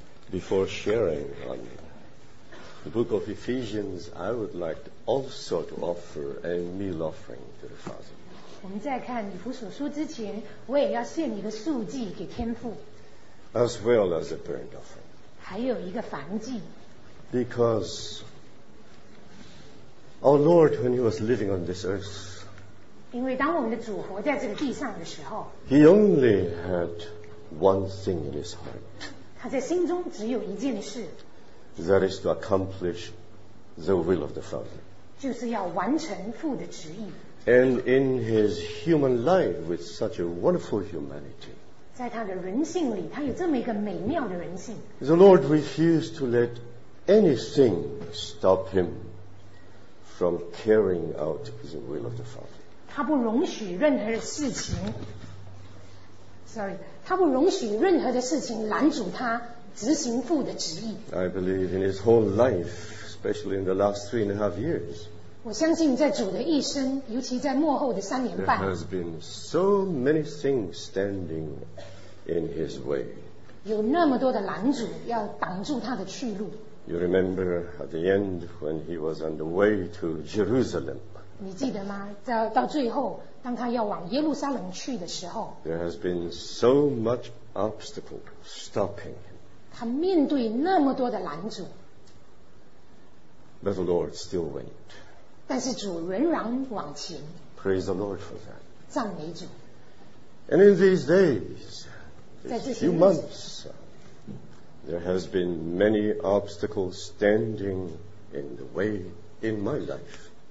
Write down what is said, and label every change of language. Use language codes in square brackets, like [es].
[en] Before sharing on the book of Ephesians, I would like also to offer a meal offering to the Father. [zh] 我们在看以弗所书之前, 我也要献一个素祭给天父, [en] as well as a burnt offering. [zh] 还有一个燔祭, [en] because our Lord, when he was living on this earth, [zh] 因为当我们的主活在这个地上的时候, [en] he only had one thing in his heart. [zh] 他在心中只有一件事, [en] that is to accomplish the will of the Father. [zh] 就是要完成父的旨意。 [en] And in his human life with such a wonderful humanity, [zh] 在他的人性里, 他有这么一个美妙的人性, [en] the Lord refused to let anything stop him from carrying out the will of the Father. [zh] 他不容许任何的事情, sorry, 他不容许任何的事情拦阻他执行父的旨意。 [en] I believe in his whole life, especially in the last 3.5 years, [zh] 我相信在主的一生, 尤其在末后的三年半, [en] there has been so many things standing in his way. [zh] 有那么多的拦阻要挡住他的去路。 [en] You remember at the end when he was on the way to Jerusalem, [zh] 你记得吗? 到最后, 当他要往耶路撒冷去的时候, [en] there has been so much obstacle stopping him. [zh] 他面对那么多的拦阻, [en] but the Lord still went. [zh] 但是主仍然往前, [en] praise the Lord for that. [zh] 赞美主。 [en] And in these days, these few months, there has been many obstacles standing in the way in my life.